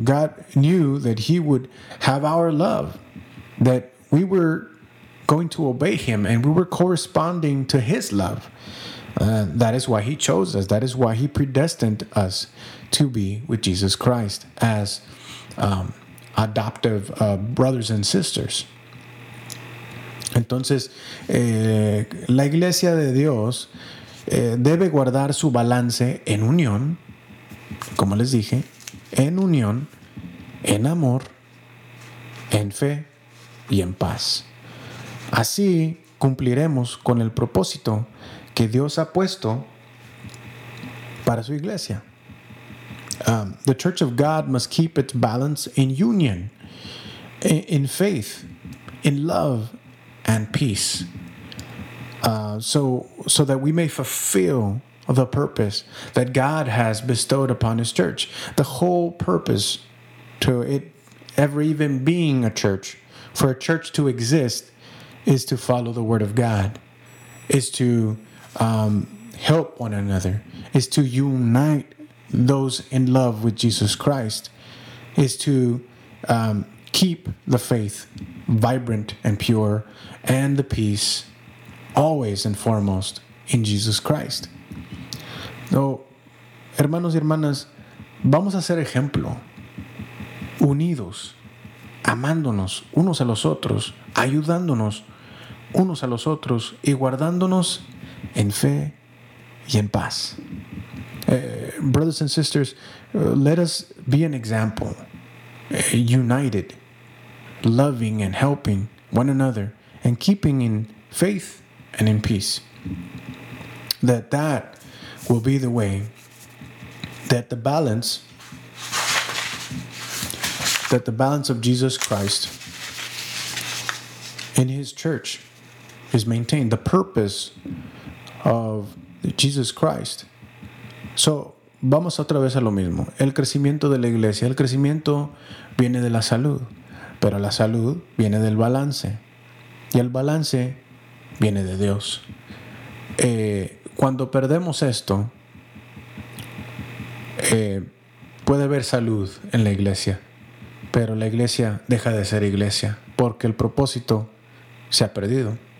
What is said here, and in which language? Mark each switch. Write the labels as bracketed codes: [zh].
[en] God knew that He would have our love, that we were going to obey Him and we were corresponding to His love. That is why He chose us. That is why He predestined us to be with Jesus Christ as adoptive brothers and sisters. [es] Entonces, la iglesia de Dios debe guardar su balance en unión, como les dije, en unión, en amor, en fe y en paz. Así cumpliremos con el propósito que Dios ha puesto para su iglesia. [en] The Church of God must keep its balance in union, in faith, in love, and peace. So that we may fulfill the purpose that God has bestowed upon His church. The whole purpose to it ever even being a church, for a church to exist, is to follow the Word of God, is to help one another, is to unite those in love with Jesus Christ, is to keep the faith vibrant and pure, and the peace always and foremost in Jesus Christ. So, [es] hermanos y hermanas, vamos a ser ejemplo, unidos, amándonos unos a los otros, ayudándonos unos a los otros y guardándonos en fe y en paz. [en] Brothers and sisters, let us be an example, united, loving and helping one another and keeping in faith and in peace. That will be the way that the balance of Jesus Christ in His church is maintained, the purpose of Jesus Christ. So, [es] vamos otra vez a lo mismo. El crecimiento de la iglesia, el crecimiento viene de la salud, pero la salud viene del balance, y el balance viene de Dios. Cuando perdemos esto, puede haber salud en la iglesia, pero la iglesia deja de ser iglesia, porque el propósito se ha perdido.